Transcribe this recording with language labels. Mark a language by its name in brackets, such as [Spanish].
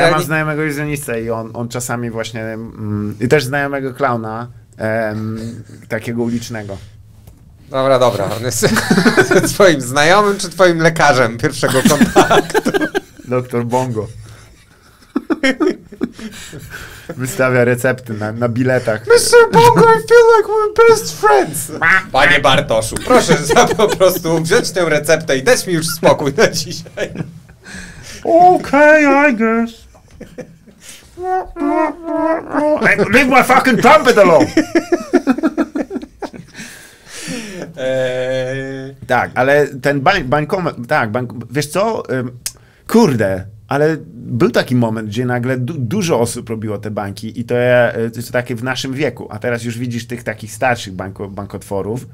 [Polish] No ja mam znajomego iluzjonistę i on czasami właśnie... I też znajomego klauna, takiego ulicznego. Dobra, on jest twoim znajomym czy twoim lekarzem pierwszego kontaktu? Doktor Bongo. Wystawia recepty na biletach. [English] Mr. Bongo, I feel like we're best friends. [Polish] Panie Bartoszu, proszę za po prostu wziąć tę receptę i dać mi już spokój na dzisiaj. [English] Okay, I guess. Hey, leave my fucking trumpet alone. [Polish] Tak, ale ten bankomat, tak, wiesz co, kurde, ale był taki moment, gdzie nagle dużo osób robiło te banki i to jest takie w naszym wieku, a teraz już widzisz tych takich starszych bankotworów.